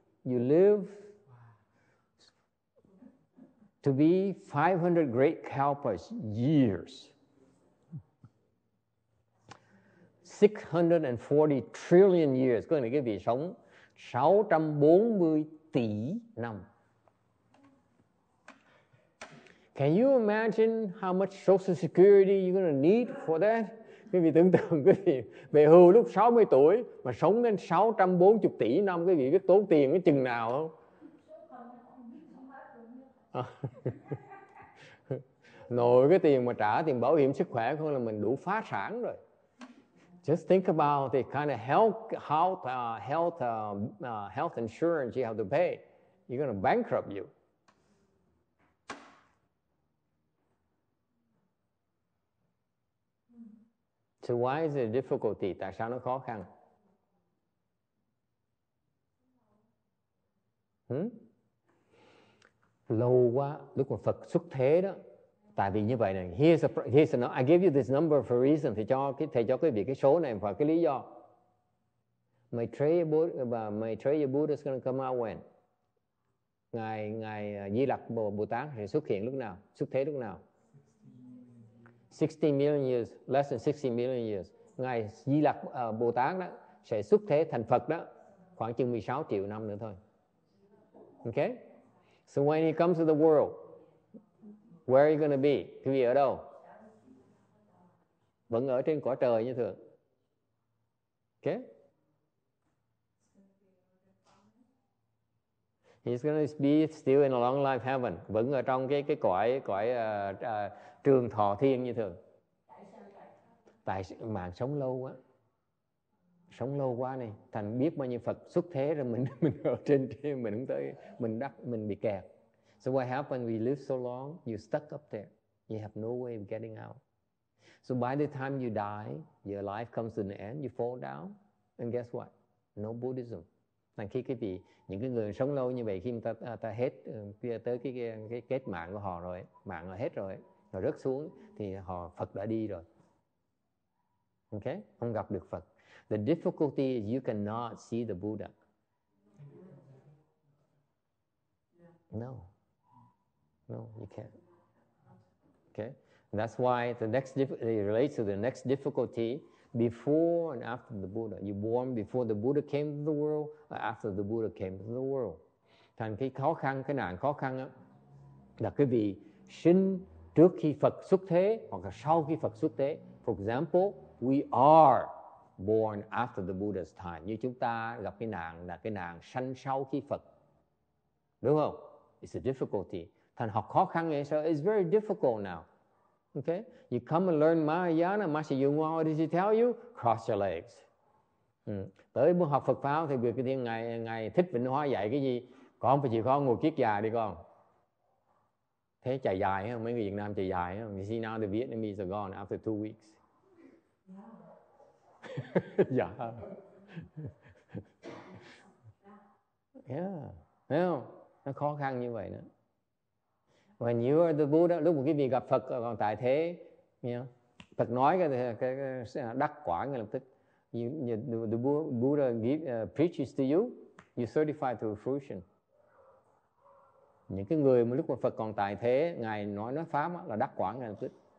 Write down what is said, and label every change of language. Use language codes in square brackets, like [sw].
[en] You live to be 500 great kalpas years. 640 trillion years. [vi] Có nghĩa là vị sống 640 tỷ năm. [en] Can you imagine how much social security you're going to need for that? [vi] Quý vị tưởng tượng quý vị về hưu lúc 60 tuổi mà sống đến 640 tỷ năm, quý vị biết tốn tiền cái chừng nào không? Nội cái tiền mà trả tiền bảo hiểm sức khỏe không là mình đủ phá sản rồi. [en] Just think about the kind of health insurance you have to pay. You're going to bankrupt you. So why is it a difficulty? [vi] Tại sao nó khó khăn? Lâu quá, lúc mà Phật xuất thế đó. Tại vì như vậy này, [en] I give you this number for a reason. [vi] Thầy cho quý vị cái số này và cái lý do. [en] Maitreya Buddha is going to come out when? [vi] Ngài Di Lặc Bồ Tát sẽ xuất hiện lúc nào? Xuất thế lúc nào? [en] 60 million years, less than 60 million years. [vi] Ngài Di Lặc Bồ Tát đó sẽ xuất thế thành Phật đó khoảng chừng 16 triệu năm nữa thôi. [en] Okay? So when he comes to the world, where are you going to be? [vi] Quý vị ở đâu? Vẫn ở trên cõi trời như thường. [en] Okay? He's going to be still in a long life heaven. [vi] Vẫn ở trong cái cõi trường thọ thiên như thường. Tại sao? Tại mạng sống lâu quá. Sống lâu quá này. Thành biết bao nhiêu Phật xuất thế rồi mình ở trên kia, mình không tới, mình đắc, mình bị kẹt. [en] So what happened? We live so long, you're stuck up there. You have no way of getting out. So by the time you die, your life comes to an end, you fall down. And guess what? No Buddhism. [vi] Thành khi cái gì, những cái người sống lâu như vậy, khi mà ta hết, tới cái kết mạng của họ rồi, mạng họ hết rồi, họ rớt xuống, thì họ Phật đã đi rồi. Okay? Không gặp được Phật. [en] The difficulty is you cannot see the Buddha. No. No, you can't. Okay? And that's why it relates to the next difficulty before and after the Buddha. You born before the Buddha came to the world or after the Buddha came to the world. [vi] Thành cái khó khăn, cái nạn khó khăn đó, là cái vị sinh trước khi Phật xuất thế hoặc là sau khi Phật xuất thế. [en] For example, we are born after the Buddha's time. [vi] Như chúng ta gặp cái nạn sanh sau khi Phật. Đúng không? [en] It's a difficulty. [vi] Thành học khó khăn vậy, [en] so it's very difficult now. Okay? You come and learn Mahayana, Master Yung Wang, what did he tell you? Cross your legs. [vi] Tới muốn học Phật Pháp, thì việc thì ngày Thích Vịnh Hoa dạy cái gì? Con phải chịu khó ngồi kiết già đi con. Thế chạy dài không? Mấy người Việt Nam chạy dài không? [en] You see now the Vietnamese are gone after 2 weeks. Yeah. [vi] Yeah. Yeah. Nó khó khăn như vậy nữa. [en] When you are the Buddha, [vi] lúc mà quý vị gặp Phật còn tại thế, you know, Phật nói cái đắc quả ngay lập tức. [en] The Buddha preaches to you, you certify to fruition. [vi] Những cái người mà lúc mà Phật còn tại thế, Ngài nói pháp là đắc quả ngay lập tức.